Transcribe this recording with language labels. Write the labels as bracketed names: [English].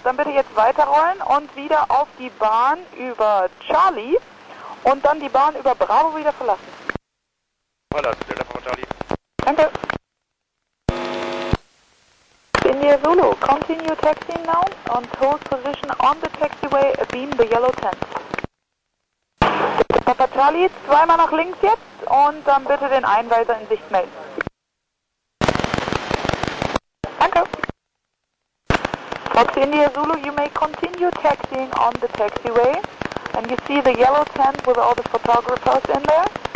[German] Dann bitte jetzt weiterrollen und wieder auf die Bahn über Charlie und dann die Bahn über Bravo wieder verlassen. Verlassen, Delta Papa Charlie. Danke. [English] India Zulu, continue taxiing now and hold position on the taxiway, beam the yellow tent. [German] Papa Charlie, zweimal nach links jetzt und dann bitte den Einweiser in Sicht melden. Danke. [English] Fox India Zulu, you may continue taxiing on the taxiway and you see the yellow tent with all the photographers in there.